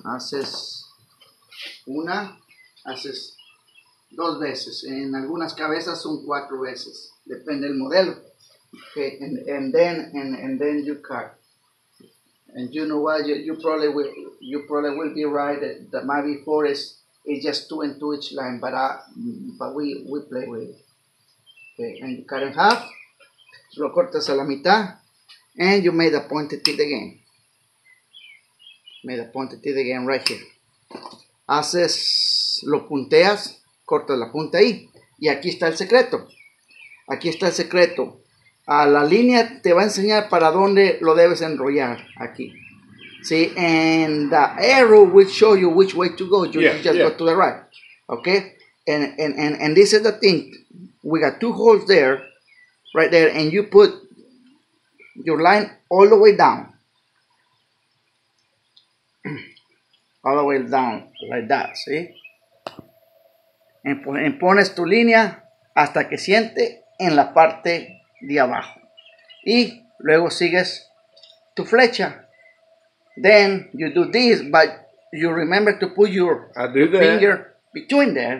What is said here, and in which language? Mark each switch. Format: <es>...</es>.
<es>Haces una, haces dos veces, en algunas cabezas son cuatro veces, depende del modelo.</es> <en>Okay, and then you cut. And you know what, you probably will be right that my before is just two and two each line, but we play with it. Okay, and you cut in half,</en> <es>lo cortas a la mitad,</es> <en>and you made a pointed teeth again. Made a pointed teeth again right here.</en> <es>Haces, lo punteas, cortas la punta ahí. Y aquí está el secreto. Aquí está el secreto. A la línea te va a enseñar para dónde lo debes enrollar aquí.</es> <en>Sí, and the arrow will show you which way to go. You just go to the right. Okay? And this is the thing. We got two holes there, right there, and you put your line all the way down. All the way down, like that, ¿sí?</en> <es>Pones tu línea hasta que siente en la parte de abajo. Y luego sigues tu flecha.</es> <en>Then you do this, but you remember to put your finger between there.</en>